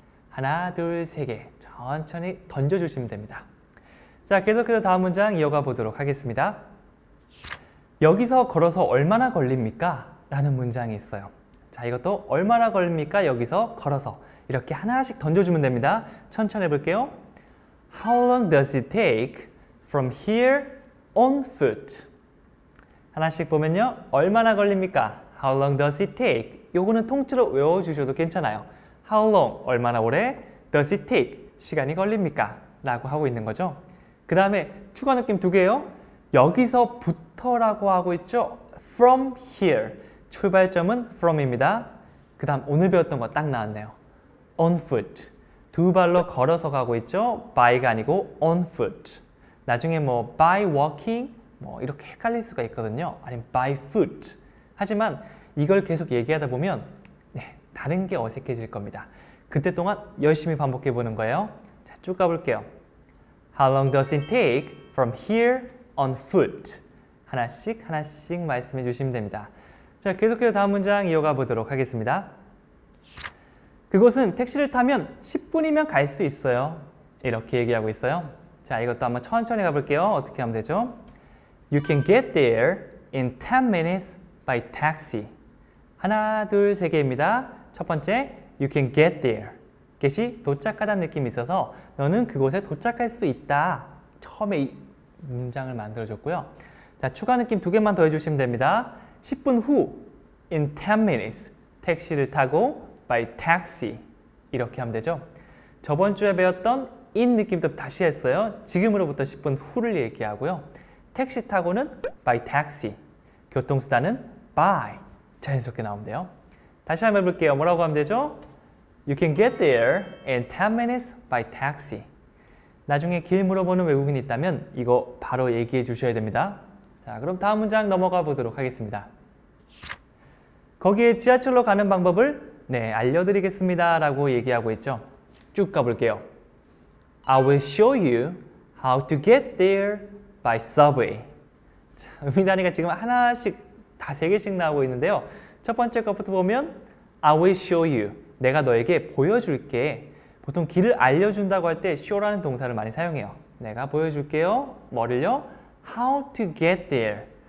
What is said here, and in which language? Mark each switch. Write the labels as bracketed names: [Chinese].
[Korean] 하나, 둘, 세 개 천천히 던져주시면 됩니다. 자, 계속해서 다음 문장 이어가 보도록 하겠습니다. 여기서 걸어서 얼마나 걸립니까? 라는 문장이 있어요. 자, 이것도 얼마나 걸립니까? 여기서 걸어서 이렇게 하나씩 던져주면 됩니다. 천천히 해볼게요. [English] How long does it take from here on foot? [Korean] 하나씩 보면요. 얼마나 걸립니까? [English] How long does it take? [Korean] 요거는 통째로 외워주셔도 괜찮아요. [English] How long? [Korean] 얼마나 오래? [English] Does it take? [Korean] 시간이 걸립니까? 라고 하고 있는 거죠. 그 다음에 추가 느낌 두 개요. 여기서부터 라고 하고 있죠. [English] From here. [Korean] 출발점은 from입니다. 그 다음 오늘 배웠던 거 딱 나왔네요. [English] On foot. [Korean] 두 발로 걸어서 가고 있죠. By가 아니고 on foot. 나중에 뭐 by walking 뭐 이렇게 헷갈릴 수가 있거든요. 아니면 by foot. 하지만 이걸 계속 얘기하다 보면 네, 다른 게 어색해질 겁니다. 그때 동안 열심히 반복해 보는 거예요. 자, 쭉 가볼게요. [English] How long does it take from here on foot? [Korean] 하나씩 하나씩 말씀해 주시면 됩니다. 자, 계속해서 다음 문장 이어가 보도록 하겠습니다. 그곳은 택시를 타면 10분이면 갈 수 있어요. 이렇게 얘기하고 있어요. 자, 이것도 한번 천천히 가볼게요. 어떻게 하면 되죠? [English] You can get there in 10 minutes by taxi. [Korean] 하나, 둘, 세 개입니다. 첫 번째, [English] You can get there. [Korean] get이 도착하다는 느낌이 있어서 너는 그곳에 도착할 수 있다. 처음에 이 문장을 만들어줬고요. 자, 추가 느낌 두 개만 더 해주시면 됩니다. 10분 후, in 10 minutes, 택시를 타고 by taxi. 이렇게 하면 되죠. 저번 주에 배웠던 in 느낌도 다시 했어요. 지금으로부터 10분 후를 얘기하고요. 택시 타고는 by taxi. 교통수단은 by. 자연스럽게 나오는데요. 다시 한번 해볼게요. 뭐라고 하면 되죠? [English] You can get there in 10 minutes by taxi. [Korean] 나중에 길 물어보는 외국인이 있다면 이거 바로 얘기해 주셔야 됩니다. 자, 그럼 다음 문장 넘어가 보도록 하겠습니다. 거기에 지하철로 가는 방법을 네, 알려드리겠습니다. 라고 얘기하고 있죠. 쭉 가볼게요. [English] I will show you how to get there by subway. [Korean] 자, 의미단위가 지금 하나씩 다 세 개씩 나오고 있는데요. 첫 번째 것부터 보면 [English] I will show you. [Korean] 내가 너에게 보여줄게. 보통 길을 알려준다고 할 때 show라는 동사를 많이 사용해요. 내가 보여줄게요. 뭐를요? [English] How to get there.